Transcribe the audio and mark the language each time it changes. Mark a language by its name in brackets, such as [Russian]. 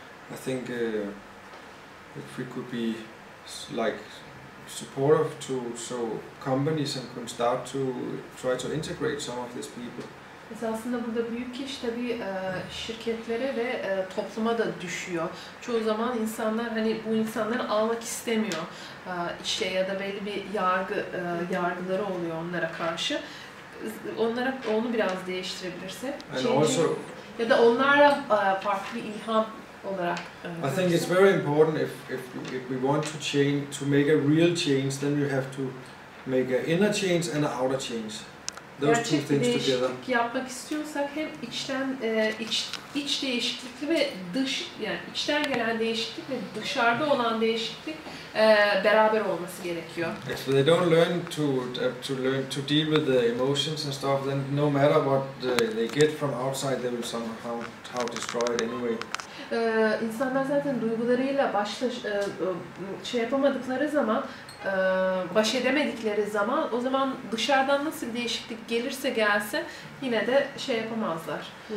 [English] I think if we could be like supportive to so companies and can start to try to integrate some of these people. [Turkish] Esasında burada büyük iş tabii şirketlere ve topluma da düşüyor. Çoğu zaman insanlar hani bu insanları almak istemiyor. İşte ya da belli bir yargıları oluyor onlara karşı. Onlara onu biraz değiştirebilirse. [English] Also, [Turkish] ya da onlara farklı bir ilham olarak. [English] I think it's very important if we want to change, to make a real change, then you have to make an inner change and an outer change. Those [Turkish] gerçek bir değişiklik yapmak istiyorsak hem içten iç değişiklik ve dış yani içten gelen değişiklik ve dışarıda olan değişiklik beraber olması gerekiyor. [English] If they don't learn to deal with the emotions and stuff, then no matter what they get from outside, they will somehow how destroy it anyway. [Turkish] İnsanlar zaten duygularıyla şey yapamadıkları zaman, baş edemedikleri zaman, o zaman dışarıdan nasıl bir değişiklik gelirse gelse yine de şey yapamazlar.